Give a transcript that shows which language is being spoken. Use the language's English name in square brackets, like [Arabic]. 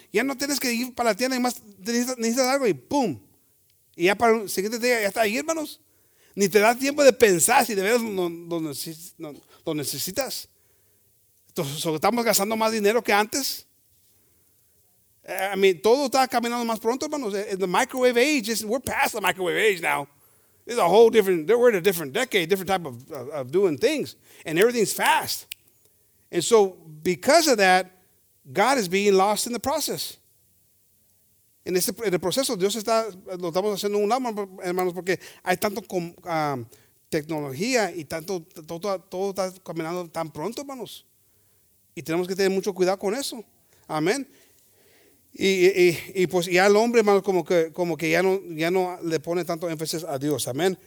[Spanish] Ya no tienes que ir para la tienda y más necesitas algo y ¡pum! Y ya para el siguiente día ya está ahí, hermanos. Ni te da tiempo de pensar si de veras lo necesitas. Estamos gastando más dinero que antes. [English] I mean, [Spanish] todo está caminando más pronto, hermanos. [English] In the microwave age, we're past the microwave age now. It's a whole different, we're in a different decade, different type of doing things. And everything's fast. And so because of that, God is being lost in the process. [Spanish] En este en el proceso, Dios está, lo estamos haciendo un lado, hermanos, porque hay tanto tecnología y tanto, todo está caminando tan pronto, hermanos. Y tenemos que tener mucho cuidado con eso. Amén. Y pues ya el hombre, hermano, como que ya no le pone tanto énfasis a Dios. Amén.